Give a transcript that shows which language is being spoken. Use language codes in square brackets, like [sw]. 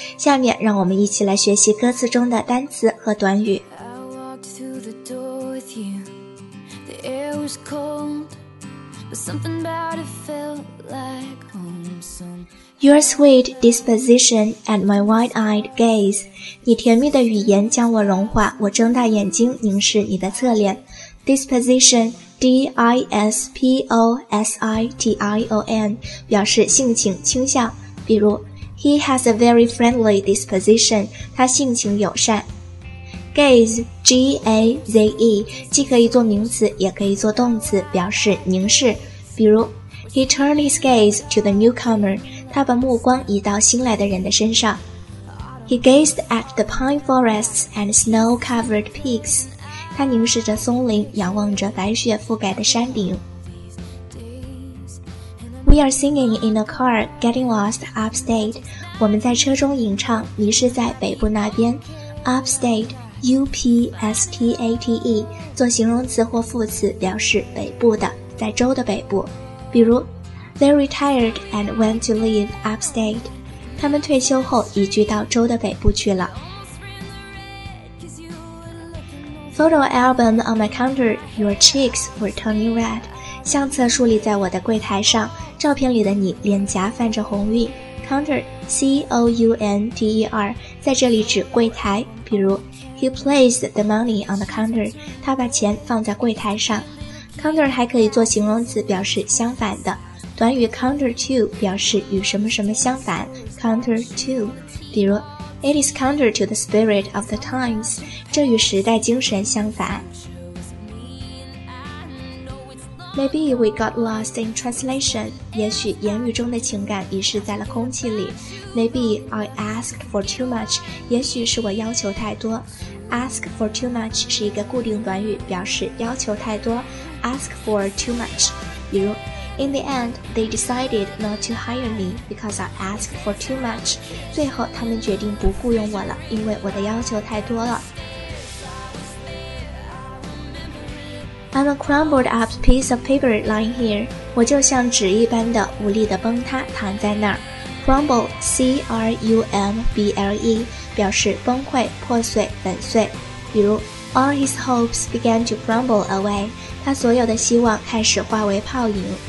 [zh] 下面让我们一起来学习歌词中的单词和短语。 [en] I walked through the door with you. The air was cold, but something about it felt like homesome. Your sweet disposition and my wide-eyed gaze. [zh] 你甜蜜的语言将我融化，我睁大眼睛凝视你的侧脸。 Disposition,D-I-S-P-O-S-I-T-I-O-N 表示性情倾向，比如 [en] He has a very friendly disposition, [zh] 他性情友善。 Gaze, G-A-Z-E 既可以做名词也可以做动词，表示凝视，比如 [en] He turned his gaze to the newcomer, [zh] 他把目光移到新来的人的身上。 [en] He gazed at the pine forests and snow-covered peaks, [zh] 他凝视着松林，仰望着白雪覆盖的山顶。 [en] We are singing in a car, getting lost upstate. [zh] 我们在车中吟唱，迷失在北部那边。 Upstate, U-P-S-T-A-T-E 做形容词或副词，表示北部的，在州的北部。比如 [en] They retired and went to live upstate. [zh] 他们退休后移居到州的北部去了。 [en] Photo album on my counter, your cheeks were turning red. [zh] 相册竖立在我的柜台上，照片里的你脸颊泛着红晕。 Counter, C-O-U-N-T-E-R, 在这里指柜台。比如 [en] He placed the money on the counter, [zh] 他把钱放在柜台上。 Counter 还可以做形容词，表示相反的。短语 counter to 表示与什么什么相反。 [en] Counter to, [zh] 比如 [en] It is counter to the spirit of the times. [zh] 这与时代精神相反。 [en] Maybe we got lost in translation. [zh] 也许言语中的情感遗失在了空气里。 [en] Maybe I asked for too much. [zh] 也许是我要求太多。 Ask for too much 是一个固定短语，表示要求太多。 [en] Ask for too much. [zh] 比如 [en] In the end, they decided not to hire me because I asked for too much. [zh] 最后他们决定不雇佣我了，因为我的要求太多了。 [en] I'm a crumbled up piece of paper lying here. [zh] 我就像纸一般的无力的崩塌躺在那儿。 Crumble, C-R-U-M-B-L-E, 表示崩溃、破碎、粉碎。比如 [en] All his hopes began to crumble away. [zh] 他所有的希望开始化为泡影。